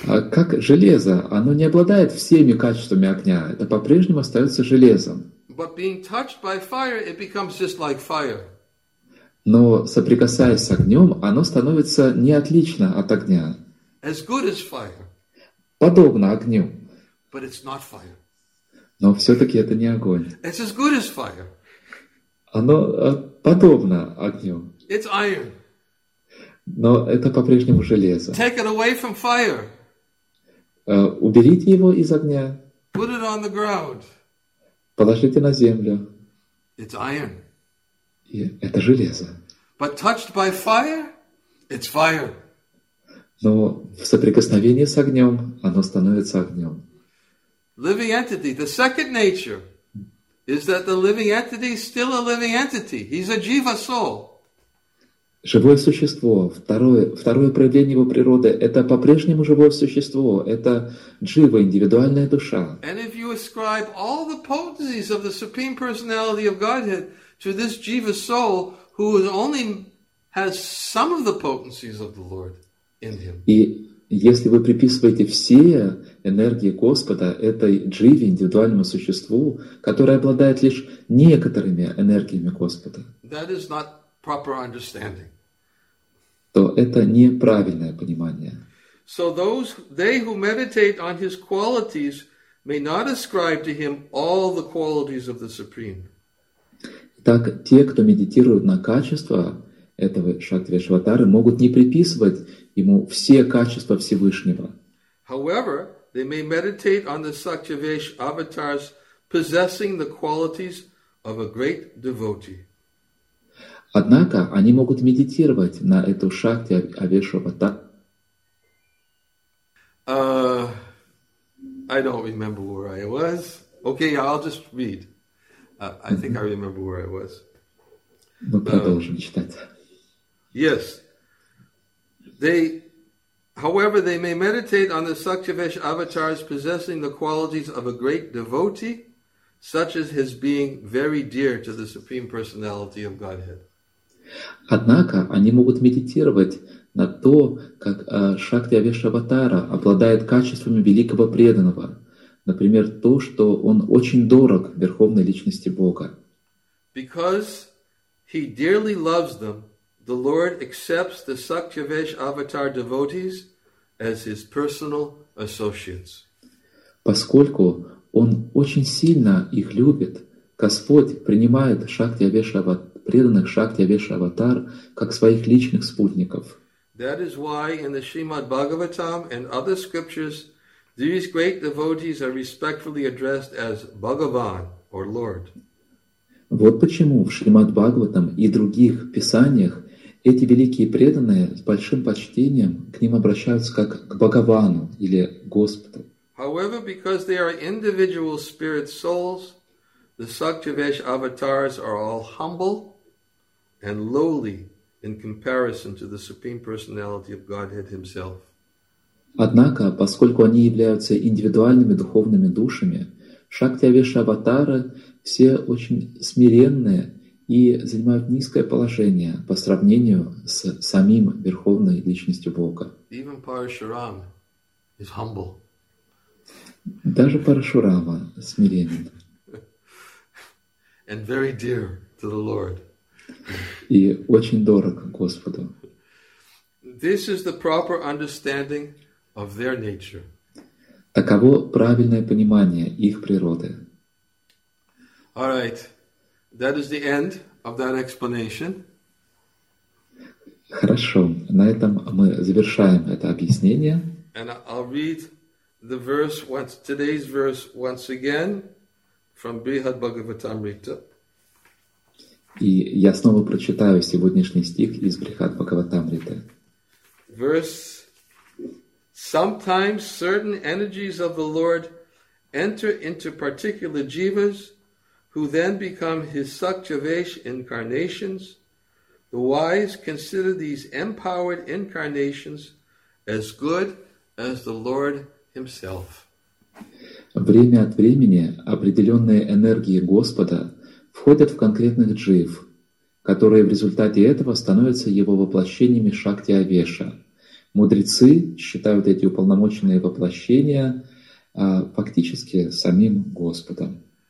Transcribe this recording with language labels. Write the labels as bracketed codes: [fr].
[ru] Как железо, оно не обладает всеми качествами огня, это по-прежнему остается железом. [en] But being touched by fire, it becomes just like fire. [ru] Но соприкасаясь с огнем, оно становится не отлично от огня. [en] As good as fire. [ru] Подобно огню. [en] But it's not fire. [ru] Но все-таки это не огонь. [en] It's as good as fire. [ru] Оно подобно огню. [en] It's iron. [ru] Но это по-прежнему железо. [en] Take it away from fire. [ru] Уберите его из огня. [en] Put it on the ground. [ru] Положите на землю. [en] It's iron. [ru] И это железо. [en] But touched by fire, it's fire. [ru] Но в соприкосновении с огнем оно становится огнем. [en] Living entity. The second nature is that the living entity is still a living entity. He's a jiva soul. [ru] Живое существо. Второе проявление его природы – это по-прежнему живое существо. Это джива, индивидуальная душа. [en] And if you ascribe all the potencies of the Supreme Personality of Godhead to this jiva soul who only has some of the potencies of the Lord in him. [ru] И если вы приписываете все энергии Господа этой дживе, индивидуальному существу, которое обладает лишь некоторыми энергиями Господа, [en] that is not proper understanding. [ru] То это неправильное понимание. [en] So those they who meditate on his qualities may not ascribe to him all the qualities of the Supreme. [ru] Так те, кто медитирует на качества этого Шакти-Авеша-Аватары, могут не приписывать ему все качества Всевышнего. [en] However, they may meditate on the Sakyavesh avatars possessing the qualities of a great devotee. [ru] Однако они могут медитировать на эту шахте Авешова так. [en] I don't remember where I was. Okay, I'll just read. I think I remember where I was. [ru] Мы продолжим читать. [en] Yes. However, they may meditate on the Sakyavesh avatars possessing the qualities of a great devotee, such as his being very dear to the Supreme Personality of Godhead. [ru] Однако они могут медитировать на то, как Шакти Авеш Аватара обладает качествами великого преданного, например, то, что он очень дорог Верховной Личности Бога. [en] Because he dearly loves them, the Lord accepts the Sakyavesh Avatar devotees as his personal associates. [ru] Поскольку он очень сильно их любит, Господь принимает Шакти Авеш Аватара, преданных Шакти Авеш Аватар, как своих личных спутников. [en] That is why in the Srimad Bhagavatam and other scriptures, these great devotees are respectfully addressed as Bhagavan or Lord. [ru] Вот почему в Шримад Бхагаватам и других писаниях эти великие преданные с большим почтением к ним обращаются как к Бхагавану или Господу. [en] However, because they are individual spirit souls, the Sakyavesh avatars are all humble and lowly in comparison to the Supreme Personality of Godhead Himself. [ru] Однако, поскольку они являются индивидуальными духовными душами, Шактиавеш аватары все очень смиренные и занимают низкое положение по сравнению с самим Верховной Личностью Бога. [en] Even Парашурам is humble. [ru] Даже Парашурама смиренен. [en] And very dear to the Lord. [ru] И очень дорог Господу. [en] This is the proper understanding of their nature. [ru] Таково правильное понимание их природы. [en] All right. That is the end of that explanation. [ru] Хорошо. На этом мы завершаем это объяснение. [en] And I'll read the verse once, today's verse once again from Brihad Bhagavatamrita. [ru] И я снова прочитаю сегодняшний стих из Брихат Бхагаватамриты. [en] Verse: Sometimes certain energies of the Lord enter into particular jivas, who then become His Sakyavesh incarnations. The wise consider these empowered incarnations as good as the Lord Himself. [ru] Время от времени определенные энергии Господа входят в конкретных джив, которые в результате этого становятся его воплощениями Шакти Авеша. Мудрецы считают эти уполномоченные воплощения фактически самим Господом.